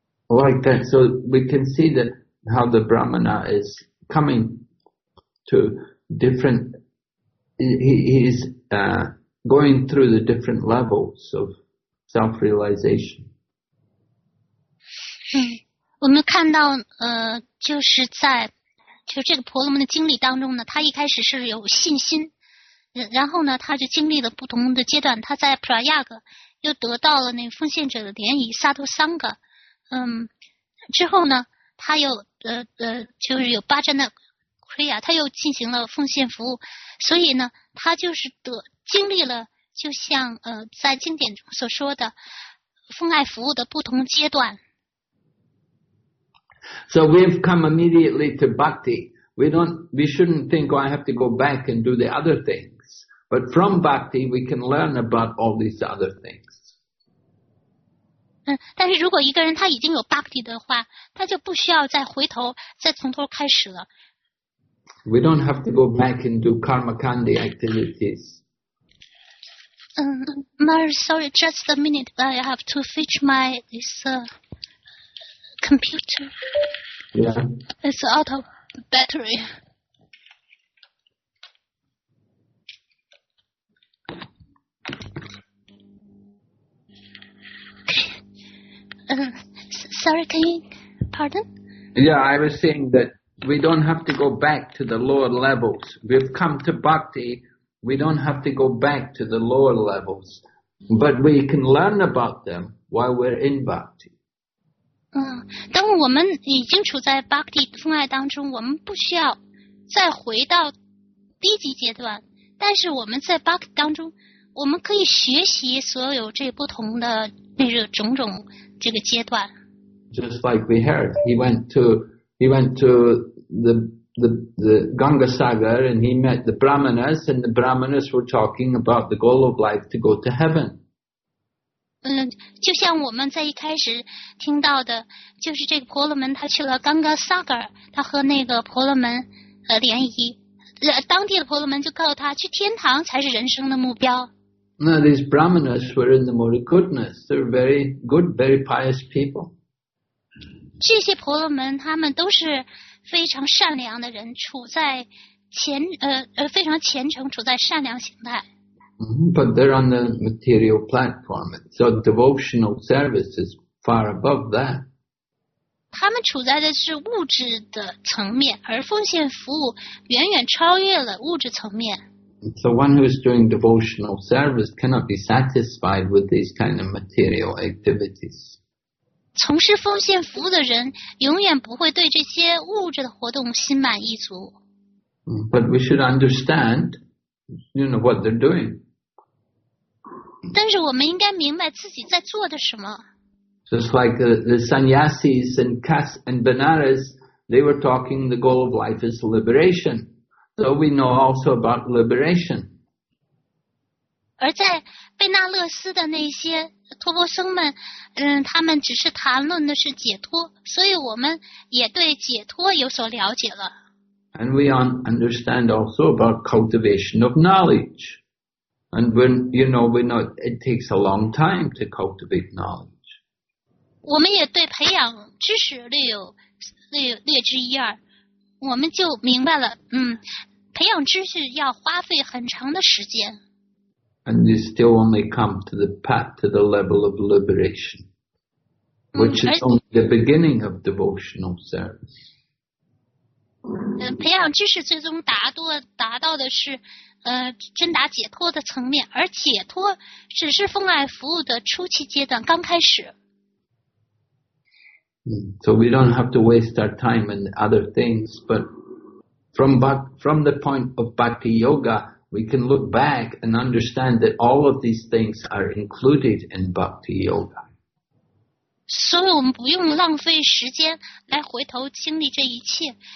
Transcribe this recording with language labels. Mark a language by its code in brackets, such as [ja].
[en] Like that, so we can see that how the brahmana is coming to different, he's going through the different levels ofself-realization. [zh] 我们看到就是在就这个婆罗门的经历当中呢，他一开始是有信心，然后呢他就经历了不同的阶段，他在普拉亚格又得到了那个奉献者的联谊萨托桑格，之后呢他又就是有巴扎那奎亚，他又进行了奉献服务，所以呢他就是经历了就像在经典中所说的奉爱服务的不同阶段。 [en] So we've come immediately to bhakti. We shouldn't think, oh, I have to go back and do the other things. But from bhakti, we can learn about all these other things. [zh] 但是如果一个人他已经有 bhakti 的话，他就不需要再回头，再从头开始了。 [en] We don't have to go back and do karmakandi activities. Sorry, just a minute. I have to fetch my computer. Yeah. It's out of battery. Okay. Sorry, can you, pardon? Yeah, I was saying that we don't have to go back to the lower levels. We've come to bhakti, we don't have to go back to the lower levels. But we can learn about them while we're in bhakti. [zh] 当我们已经处在 bhakti 风爱当中，我们不需要再回到低级阶段。但是我们在 bhakti 当中，我们可以学习所有这不同的那个种种这个阶段。 [en] Just like we heard, he went to the Ganga Sagar and he met the Brahmanas, and the Brahmanas were talking about the goal of life to go to heaven. [zh] 就像我们在一开始听到的，就是这个婆罗门他去了 Ganga Sagar, 他和那个婆罗门联谊，当地的婆罗门就告诉他，去天堂才是人生的目标。 [en] Now these Brahmanas were in the mode of goodness. They're very good, very pious people. [zh] 这些婆罗门他们都是非常善良的人，处在虔非常虔诚，处在善良形态。 [en] But they're on the material platform, so devotional service is far above that. [zh] 他们处在的是物质的层面，而奉献服务远远超越了物质层面。 [en] So one who is doing devotional service cannot be satisfied with these kind of material activities. [zh] 从事奉献服务的人永远不会对这些物质的活动心满意足。 [en] But we should understand, you know, what they're doing. [zh] 但是我们应该明白自己在做的什么。 [en] Just like the sannyasis and Kas and Benares, they were talking the goal of life is liberation. So we know also about liberation. [zh] 而在贝纳勒斯的那些托钵僧们，他们只是谈论的是解脱，所以我们也对解脱有所了解了。 [en] And we understand also about cultivation of knowledge. And when, you know, we know it takes a long time to cultivate knowledge. [zh] 我们也对培养知识略知一二。我们就明白了，培养知识要花费很长的时间。 [en] And you still only come to the path to the level of liberation, which is only the beginning of devotional service. [zh] 培养知识最终达到的是，真达解脱的层面，而解脱只是奉爱服务的初期阶段，刚开始。 [en] So we don't have to waste our time in other things, but from the point of Bhakti Yoga, we can look back and understand that all of these things are included in Bhakti Yoga. So we don't have to waste time to go back and experience all these things.